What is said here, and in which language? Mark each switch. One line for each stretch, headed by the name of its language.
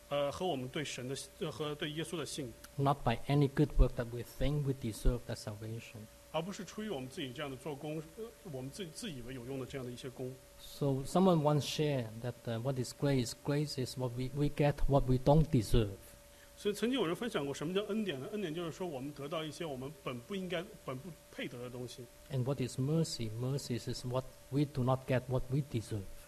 Chinese: 和我们对神的和对耶稣的信。
English: Not by any good work that we think we deserve the salvation.
Chinese: 而不是出于我们自己这样的做工，我们自以为有用的这样的一些工。
English: So someone once shared that what is grace? Grace is what we get what we don't deserve.
Chinese: 所以曾经有人分享过什么叫恩典呢？恩典就是说我们得到一些我们本不应该、本不配得的东西。
English: And what is mercy? Mercy is what we do not get what we deserve.